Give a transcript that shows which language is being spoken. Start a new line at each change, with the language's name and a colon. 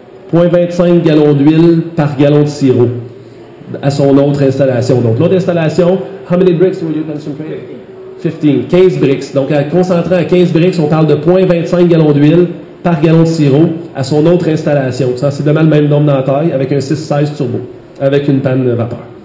French: .25 gallons d'huile par gallon de sirop à son autre installation. Donc, l'autre installation,
English: how many bricks were you concentrating? 15 bricks.
French: Donc, à concentrer à 15 bricks, on parle de .25 gallons d'huile par gallon de sirop à son autre installation. C'est sensiblement le même nombre dans la taille avec un 6-16 turbo, avec une panne de vapeur.